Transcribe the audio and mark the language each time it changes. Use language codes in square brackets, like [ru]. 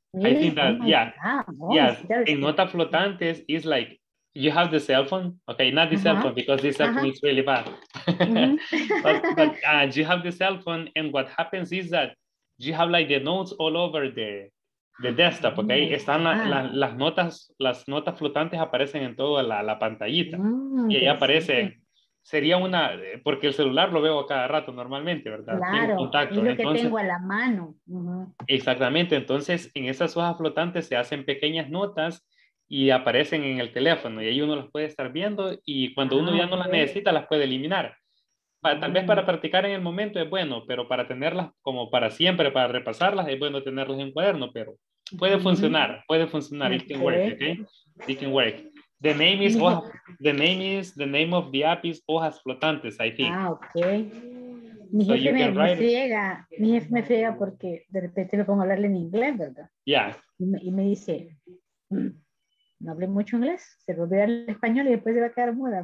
[en] Really? I think that in Nota Flotantes is like you have the cell phone, okay, not the uh-huh. cell phone, because this cell phone uh-huh. is really bad. Mm-hmm. but you have the cell phone, and what happens is that you have like the notes all over the desktop, okay? Mm-hmm. [es] Están las notas flotantes aparecen en toda la pantallita. Mm-hmm. Y ahí aparece, sería una, porque el celular lo veo a cada rato normalmente, ¿verdad? Claro, tengo contacto. Es lo que entonces, tengo a la mano. Uh-huh. Exactamente, entonces en esas hojas flotantes se hacen pequeñas notas y aparecen en el teléfono y ahí uno las puede estar viendo y cuando uno ya no las necesita las puede eliminar. Tal vez para practicar en el momento es bueno, pero para tenerlas como para siempre, para repasarlas, es bueno tenerlas en cuaderno, pero puede funcionar. [en] Okay. It can work. The name of the app is Hojas Flotantes, I think. Ah, okay. [es] Mi jefe me friega porque de repente me pongo a hablarle en inglés, ¿verdad? [en] Yeah. [es] Y me dice, no hablé mucho inglés, se lo voy a dar el español y después se va a quedar muda.